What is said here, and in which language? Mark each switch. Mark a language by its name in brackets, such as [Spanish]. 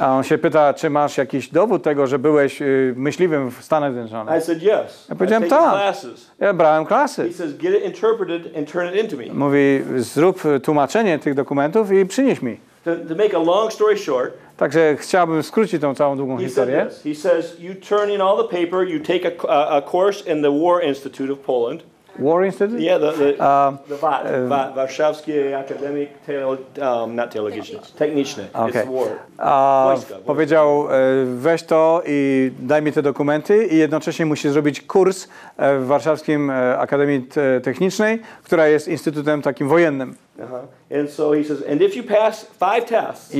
[Polish] A on się pyta, czy masz jakiś dowód tego, że byłeś myśliwym w Stanach Zjednoczonych? [English] I said yes. [Polish] Ja powiedziałem tak. Ja brałem klasy. [English] He says, get it interpreted and turn it into me. [Polish] Mówi, zrób tłumaczenie tych dokumentów i przynieś mi. [English] To make a long story short. [Polish] Także chciałbym skrócić tą całą długą historię. [English] He says you turn in all the paper, you take a course in the War Institute of Poland. War Institute? Yeah, the [Polish] Warszawskie Akademik [English] not [Polish] Teologiczne. Techniczne. [English] Okay. It's war. [Polish] Powiedział, weź to i daj mi te dokumenty i jednocześnie musisz zrobić kurs w Warszawskim Akademii Technicznej, która jest instytutem takim wojennym. Uh-huh. [English] And so he says, and if you pass 5 tests.